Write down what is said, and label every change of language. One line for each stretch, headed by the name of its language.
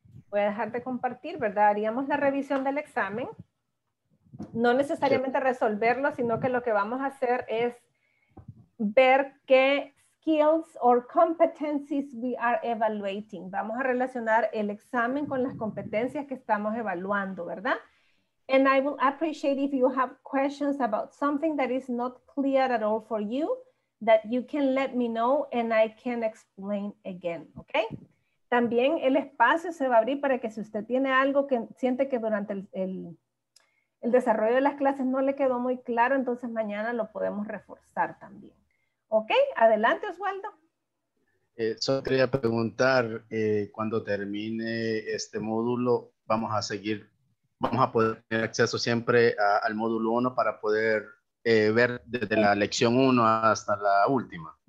Spanish: Voy a dejar de compartir, ¿verdad? Haríamos la revisión del examen. No necesariamente resolverlo, sino que lo que vamos a hacer es ver qué
English: skills or competencies we are evaluating.
Spanish: Vamos a relacionar el examen con las competencias que estamos evaluando, ¿verdad?
English: And I will appreciate if you have questions about something that is not clear at all for you, that you can let me know and I can explain again, okay?
Spanish: También el espacio se va a abrir para que si usted tiene algo que siente que durante el desarrollo de las clases no le quedó muy claro, entonces mañana lo podemos reforzar también. ¿Ok? Adelante, Oswaldo. Solo quería preguntar, cuando termine este módulo, ¿vamos a seguir, vamos a poder tener acceso siempre al módulo 1 para poder ver desde la lección 1 hasta la última?